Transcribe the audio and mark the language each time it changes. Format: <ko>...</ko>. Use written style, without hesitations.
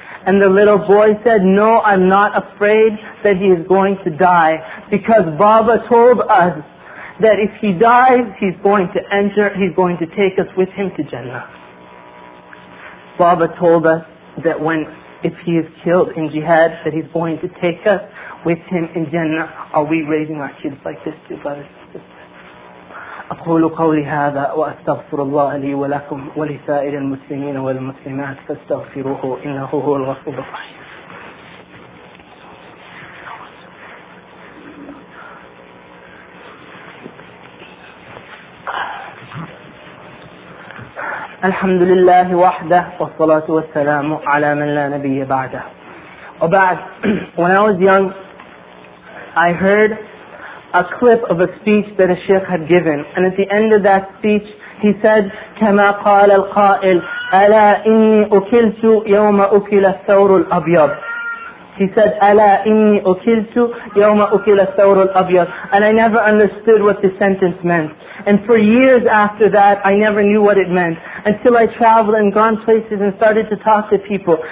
<en>And the little boy said, No, I'm not afraid that he is going to die, because Baba told us that if he dies, he's going to take us with him to Jannah. Baba told us that if he is killed in jihad, that he's going to take us with him in Jannah. Are we raising our kids like this too, brothers and sisters?</en> <ar>أقول قولي هذا وأستغفر الله لي ولكم ولسائر المسلمين والمسلمات فاستغفروه إنه هو الغفور الرحيم الحمد لله وحده والصلاة والسلام على من لا نبي بعده وبعد</ar> <en>When I was young I heard a clip of a speech that a sheikh had given. And at the end of that speech, he said,</en> <ar>كَمَا قَالَ الْقَائِلُ أَلَا إِنِّي أُكِلْتُ يَوْمَ أُكِلَ الثَّوْرُ الْأَبْيَضُ</ar> <en>He said,</en> <ar>أَلَا إِنِّي أُكِلْتُ يَوْمَ أُكِلَ الثَّوْرُ الْأَبْيَضُ</ar> <en>And I never understood what this sentence meant. And for years after that, I never knew what it meant. Until I traveled and gone places and started to talk to people.</en>